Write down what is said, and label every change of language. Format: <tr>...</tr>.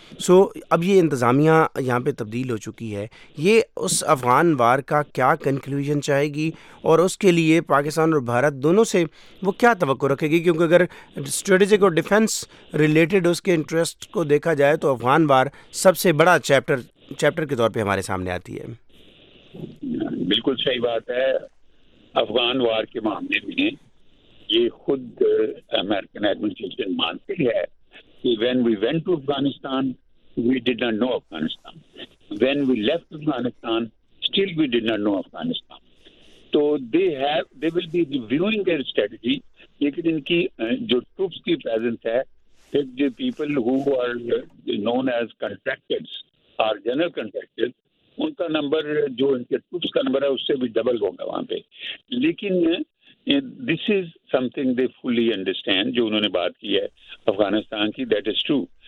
<ur>سو اب یہ انتظامیہ یہاں پہ تبدیل ہو چکی ہے, یہ اس افغان وار کا کیا کنکلوژن چاہے گی, اور اس کے لیے پاکستان اور بھارت دونوں سے وہ کیا توقع رکھے گی؟ کیونکہ اگر اسٹریٹجک اور ڈیفنس ریلیٹڈ اس کے انٹرسٹ کو دیکھا جائے تو افغان وار سب سے بڑا چیپٹر کے طور پہ ہمارے سامنے آتی ہے. بالکل صحیح بات ہے. افغان وار کے معاملے میں یہ خود امریکن ایڈمنسٹریشن مانتی ہے کہ</ur> <en>when we went to Afghanistan, we did not know Afghanistan. When we left Afghanistan, still we did not know Afghanistan. So they will be reviewing their strategy.</en> <ur>لیکن ان کی جو ٹروپس کی پریزنس ہے, پھر جو</ur> <en>people who are known as contractors</en> <ur>اور general contractors, ان کا number جو ان کے ٹروپس کا نمبر ہے اس سے بھی ڈبل ہوگا وہاں پہ. لیکن</ur> <en>this is something they fully understand,</en> <ur>جو انہوں نے بات کی ہے افغانستان کی,</ur> <en>That is true.</en>